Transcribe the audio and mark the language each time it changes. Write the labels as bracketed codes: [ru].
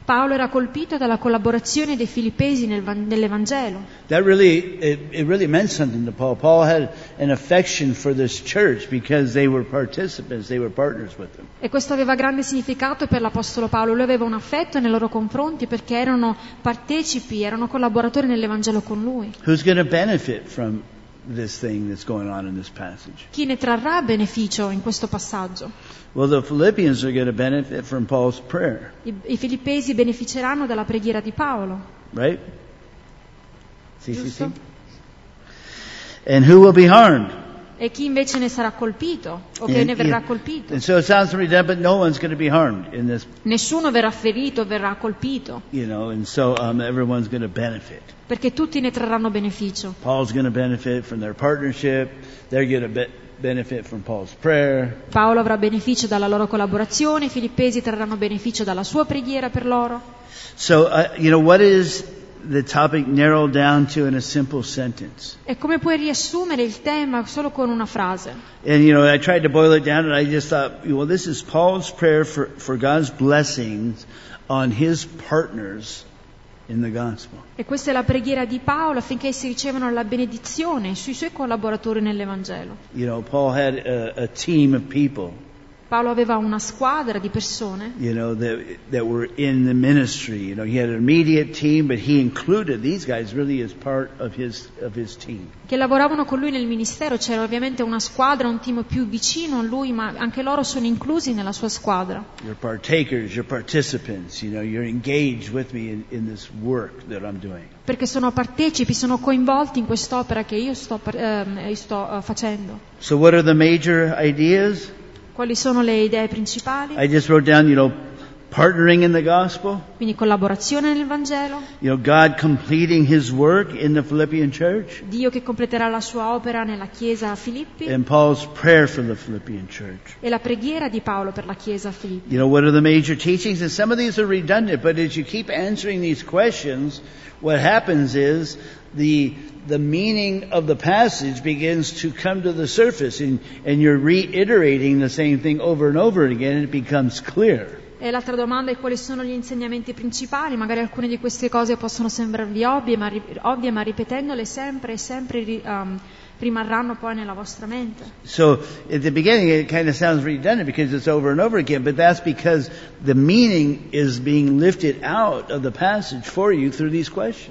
[it] Paolo era colpito dalla collaborazione dei filippesi nell'Evangelo. [en] That really, it really meant something to Paul. Paul had an affection for this church because they were participants, they were partners with them. [it] E questo aveva grande significato per l'apostolo Paolo. Lui aveva un affetto nei loro confronti perché erano partecipi, erano collaboratori nell'Evangelo con lui. [en] Who's going to benefit from this thing that's going on in this passage? [it] Chi ne trarrà beneficio in questo passaggio? [en] Well, the Philippians are going to benefit from Paul's prayer. [it] I filippesi beneficeranno dalla preghiera di Paolo. [en] Right? [it] Sì, sì, sì. [en] And who will be harmed? [it] E chi invece ne sarà colpito? O che ne verrà colpito? [en] And so it sounds pretty dumb, but no one's going to be harmed in this. [it] Nessuno verrà ferito, verrà colpito. [en] You know, and so everyone's going to benefit. [it] Perché tutti ne trarranno beneficio. [en] Paul's going to benefit from their partnership. They're going to benefit from Paul's prayer. [it] Paolo avrà beneficio dalla loro collaborazione. I filippesi trarranno beneficio dalla sua preghiera per loro. [en] So, you know, what is the topic narrowed down to in a simple sentence? [it] E come puoi riassumere il tema solo con una frase? [en] And you know, I tried to boil it down, and I just thought, well, this is Paul's prayer for God's blessings on his partners in the gospel. [it] E questa è la preghiera di Paolo affinché essi ricevano la benedizione sui suoi collaboratori nell'Evangelo. [en] You know, Paul had a team of people. [it] Paolo aveva una squadra di persone. [en] You know, that were in the ministry. You know, he had an immediate team, but he included these guys really as part of his team. [it] Che lavoravano con lui nel ministero, c'era ovviamente una squadra, un team più vicino a lui, ma anche loro sono inclusi nella sua squadra. [en] You're partakers, you're participants. You know, you're engaged with me in this work that I'm doing. [it] Perché sono partecipi, sono coinvolti in quest'opera che io sto facendo. [en] So what are the major ideas? [it] Quali sono le idee principali? [en] I just wrote down, you know, partnering in the gospel. [it] Quindi collaborazione nel Vangelo. [en] You know, God completing His work in the Philippian church. [it] Dio che completerà la sua opera nella chiesa a Filippi. [en] And Paul's prayer for the Philippian church. [it] E la preghiera di Paolo per la chiesa a Filippi. [en] You know, what are the major teachings? And some of these are redundant, but as you keep answering these questions, what happens is the meaning of the passage begins to come to the surface, and you're reiterating the same thing over and over again, and it becomes clear. [it] E l'altra domanda è: quali sono gli insegnamenti principali? Magari alcune di queste cose possono sembrarvi ovvie, ma ripetendole sempre e sempre rimarranno poi nella vostra mente. [en] So at the beginning it kind of sounds redundant because it's over and over again, but that's because the meaning is being lifted out of the passage for you through these questions.